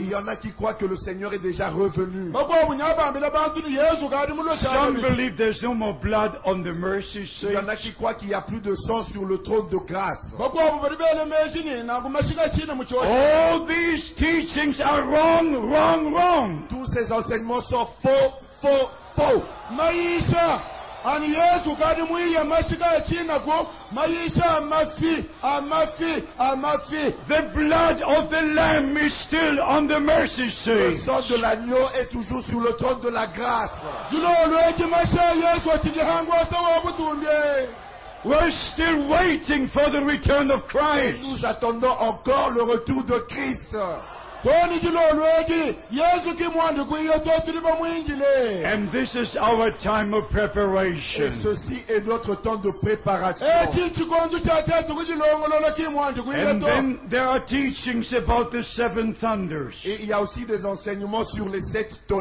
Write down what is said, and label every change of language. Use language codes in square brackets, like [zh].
[fr] Il y en a qui croient que le Seigneur est déjà revenu. [en] Some believe there's no more blood on the mercy seat. [fr] Il y en a qui croient qu'il n'y a plus de sang sur le trône de grâce. [en] All these teachings are wrong, wrong, wrong. [fr] Tous ces enseignements sont faux, faux, faux. Maïsa, an Yesu kadi muiya mashika china ko maisha mafi amafi amafi. [en] The blood of the Lamb is still on the mercy seat. [fr] Le sang de l'agneau est toujours sur le trône de la grâce. [en] We're still waiting for the return of Christ. [fr] Et nous attendons encore le retour de Christ. [en] And this is our time of preparation. [fr] Et ceci est notre temps de préparation. [en] And then there are teachings about the seven thunders. [fr] Et il y a aussi des enseignements sur les sept